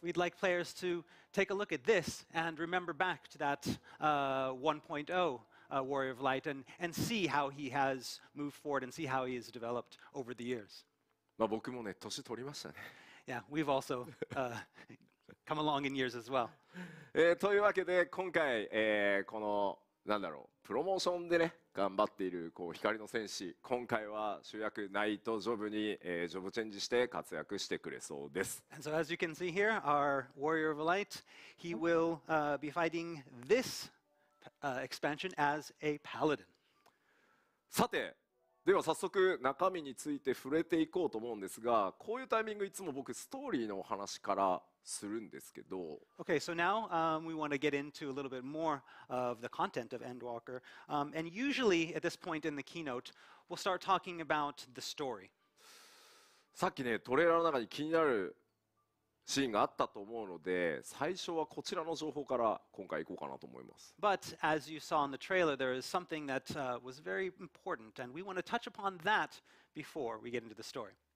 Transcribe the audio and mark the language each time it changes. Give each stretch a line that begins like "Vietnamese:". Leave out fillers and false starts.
English: We'd like players to take a look at this and remember back to that 1.0 Warrior of Light and see how he has moved forward and see how he has developed over the years.
Japanese: まあ僕もね、年取りましたね。
English: Yeah, we've also come along in years as well.
Japanese: というわけで、今回、このなんだろう、プロモーションでね、頑張っているこう光の戦士、今回は主役ナイト・ジョブに、ジョブチェンジして活躍してくれそうです。
English: And so as you can see here, our Warrior of Light, he will be fighting this expansion as a paladin.
Japanese: さて、 では早速中身について触れていこうと思うんですが、こういうタイミングいつも僕ストーリーの話からするんですけど。
English: Okay, so now we want to get into a little bit more of the content of Endwalker. And usually at this point in the keynote, we'll start talking about the story.
Japanese: さっきね、トレーラーの中に気になるシーンがあったと思うので、最初はこちらの情報から今回行こうかなと思います。
English: But as you saw in the trailer, there is something that was very important, and we want to touch upon that before we get into the story.